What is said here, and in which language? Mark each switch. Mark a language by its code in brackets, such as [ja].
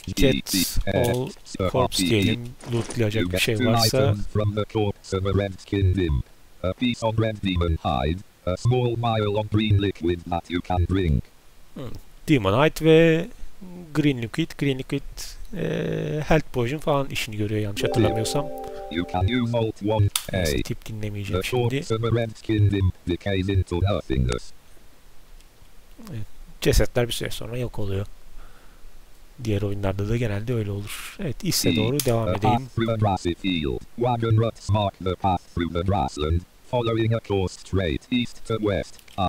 [tr] Get all corpse diyelim, lootlayacak bir şey varsa. [en] From the corpse of a red kingdom, a piece of red demon hide, a small vial of green liquid that you can drink. [tr] Demon hide ve green liquid, green liquid health potion falan işini görüyor yanlış hatırlamıyorsam. [en] You can use alt 1A. [tr] Tip dinlemeyeceğim şimdi. [en] The corpse of a red kingdom decays into nothingness. [tr] Evet, cesetler bir süre sonra yok oluyor. Diğer oyunlarda da genelde öyle olur. Evet, ise doğru devam edeyim. [en] Through a grassy field. Wagon ruts mark the path through the grassland, following a course straight east to west.